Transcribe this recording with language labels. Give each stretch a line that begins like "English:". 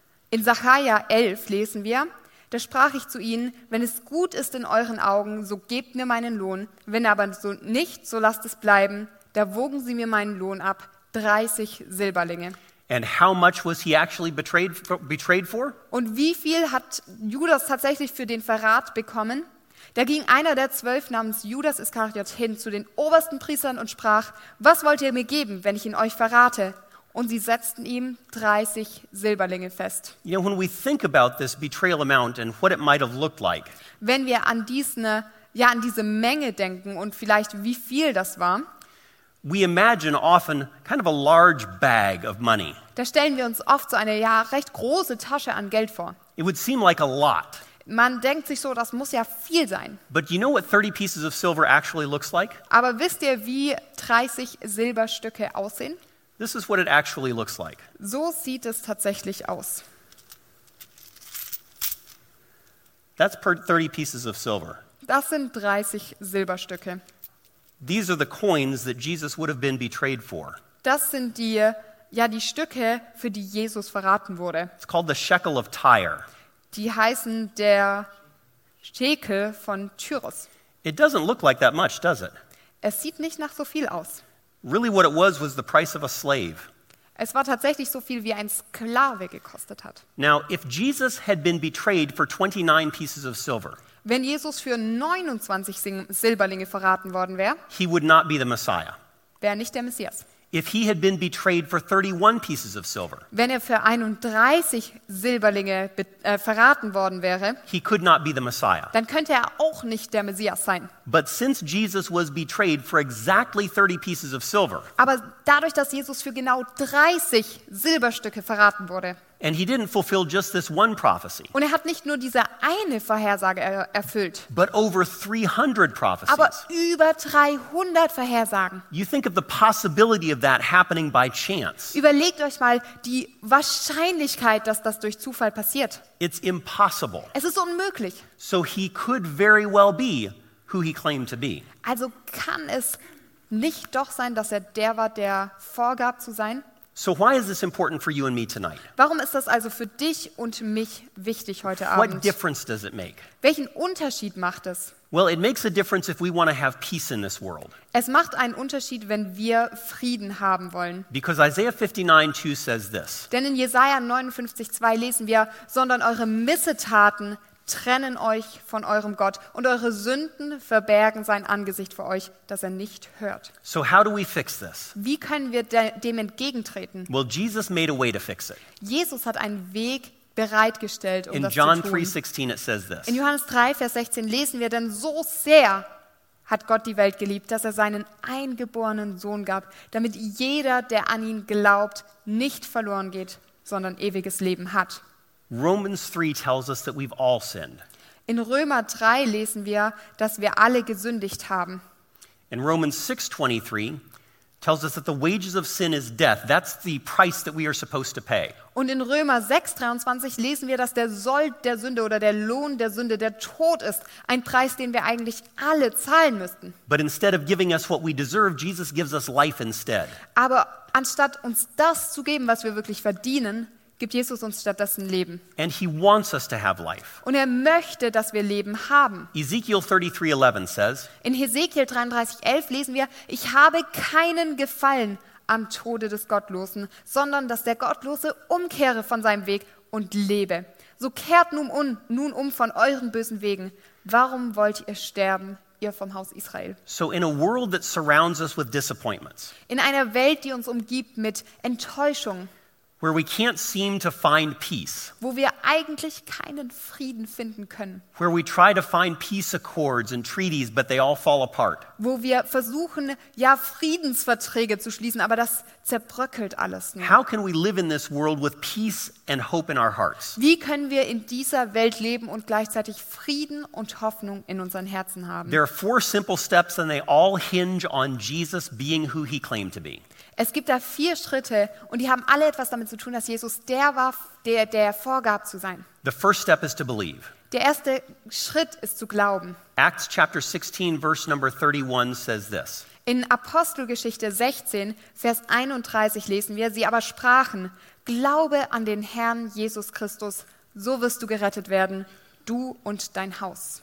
German: In Zacharja 11 lesen wir, da sprach ich zu ihnen, wenn es gut ist in euren Augen, so gebt mir meinen Lohn, wenn aber so nicht, so lasst es bleiben. Da wogen sie mir meinen Lohn ab, 30 Silberlinge.
English: And how much was he actually betrayed for?
German: Und wie viel hat Judas tatsächlich für den Verrat bekommen? Da ging einer der 12 namens Judas Iskariot hin zu den obersten Priestern und sprach, was wollt ihr mir geben, wenn ich ihn euch verrate? Und sie setzten ihm 30 Silberlinge fest.
English: You know, when we think about this betrayal amount and what it might have looked like.
German: Wenn wir an diese Menge denken und vielleicht wie viel das war.
English: We imagine often kind of a large bag of money.
German: Da stellen wir uns oft so eine recht große Tasche an Geld vor.
English: It would seem like a lot.
German: Man denkt sich so, das muss ja viel sein.
English: But you know what 30 pieces of silver actually looks like?
German: Aber wisst ihr, wie 30 Silberstücke aussehen?
English: This is what it actually looks like.
German: So sieht es tatsächlich aus.
English: That's per 30 pieces of silver.
German: Das sind 30 Silberstücke.
English: These are the coins that Jesus would have been betrayed for.
German: Das sind die Stücke, für die Jesus verraten wurde.
English: It's called the Shekel of Tyre.
German: Die heißen der Schekel von Tyrus.
English: It doesn't look like that much, does it?
German: Es sieht nicht nach so viel aus.
English: Really what it was the price of a slave.
German: Es war tatsächlich so viel, wie ein Sklave gekostet hat.
English: Now, if Jesus had been betrayed for 29 pieces of silver,
German: wenn Jesus für 29 Silberlinge verraten worden wäre,
English: he would not be the Messiah.
German: Wäre nicht der Messias.
English: If he had been betrayed for 31 pieces of silver,
German: wenn er für 31 Silberlinge verraten worden wäre,
English: he could not be the Messiah.
German: Dann könnte er auch nicht der Messias sein.
English: But since Jesus was betrayed for exactly 30 pieces of silver,
German: aber dadurch, dass Jesus für genau 30 Silberstücke verraten wurde,
English: and he didn't fulfill just this one prophecy.
German: Und er hat nicht nur diese eine Vorhersage erfüllt.
English: But over 300 prophecies.
German: Aber über 300 Vorhersagen.
English: You think of the possibility of that happening by chance.
German: Überlegt euch mal die Wahrscheinlichkeit, dass das durch Zufall passiert.
English: It's impossible.
German: Es ist unmöglich.
English: So he could very well be who he claimed to be.
German: Also kann es nicht doch sein, dass er der war, der vorgab zu sein?
English: So why is this important for you and me tonight?
German: Warum ist das also für dich und mich wichtig heute Abend?
English: What difference does it make?
German: Welchen Unterschied macht es?
English: Well, it makes a difference if we want to have peace in this world.
German: Es macht einen Unterschied, wenn wir Frieden haben wollen.
English: Because Isaiah 59:2 says this.
German: Denn in Jesaja 59:2 lesen wir, sondern eure Missetaten trennen euch von eurem Gott und eure Sünden verbergen sein Angesicht vor euch, dass er nicht hört.
English: So how do we fix this?
German: Wie können wir dem entgegentreten?
English: Well, Jesus made a way to fix it.
German: Jesus hat einen Weg bereitgestellt, um
English: in
German: das
English: John
German: zu tun.
English: 3:16 it says this.
German: In Johannes 3, Vers 16 lesen wir, denn so sehr hat Gott die Welt geliebt, dass er seinen eingeborenen Sohn gab, damit jeder, der an ihn glaubt, nicht verloren geht, sondern ewiges Leben hat.
English: Romans 3 tells us that we've all sinned.
German: In Römer 3 lesen wir, dass wir alle gesündigt haben.
English: In Romans 6:23 tells us that the wages of sin is death. That's the price that we are supposed to pay.
German: Und in Römer 6:23 lesen wir, dass der Sold der Sünde oder der Lohn der Sünde der Tod ist, ein Preis, den wir eigentlich alle zahlen müssten.
English: But instead of giving us what we deserve, Jesus gives us life instead.
German: Aber anstatt uns das zu geben, was wir wirklich verdienen, gibt Jesus uns stattdessen Leben.
English: And he wants us to have life.
German: Und er möchte, dass wir Leben haben.
English: Ezekiel 33:11 says,
German: in Hesekiel 33:11 lesen wir, ich habe keinen Gefallen am Tode des Gottlosen, sondern dass der Gottlose umkehre von seinem Weg und lebe. So kehrt nun um von euren bösen Wegen. Warum wollt ihr sterben, ihr vom Haus Israel?
English: So in a world that surrounds us with disappointments,
German: in einer Welt, die uns umgibt mit Enttäuschung,
English: where we can't seem to find peace,
German: wo wir eigentlich keinen Frieden finden können,
English: where we try to find peace accords and treaties but they all fall apart,
German: wo wir versuchen ja Friedensverträge zu schließen, aber das zerbröckelt alles nur.
English: How can we live in this world with peace and hope in our hearts?
German: Wie können wir in dieser Welt leben und gleichzeitig Frieden und Hoffnung in unseren Herzen haben?
English: There are four simple steps and they all hinge on Jesus being who he claimed to be.
German: Es gibt da vier Schritte und die haben alle etwas damit zu tun, dass Jesus der war, der er vorgab zu sein.
English: The first step is to believe.
German: Der erste Schritt ist zu glauben.
English: Acts chapter 16 verse number 31 says this.
German: In Apostelgeschichte 16 Vers 31 lesen wir, sie aber sprachen: Glaube an den Herrn Jesus Christus, so wirst du gerettet werden, du und dein Haus.